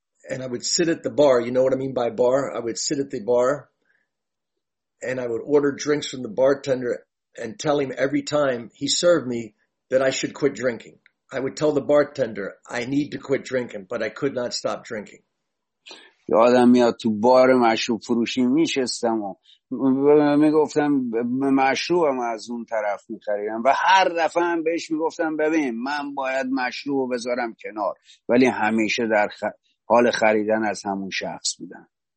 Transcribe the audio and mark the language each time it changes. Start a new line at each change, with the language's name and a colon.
English: And I would sit at the bar. You know what I mean by bar? I would sit at the bar and I would order drinks from the bartender and tell him every time he served me that I should quit drinking. I would tell the bartender, I need to quit drinking, but I could not stop drinking.
Persian: یادم میاد تو بار مشروب فروشی میشستم و میگفتم مشروبم از اون طرف میخریدم و هر دفعه هم بهش میگفتم ببین من باید مشروب بذارم کنار، ولی همیشه در حال خریدن از همون شخص بودم.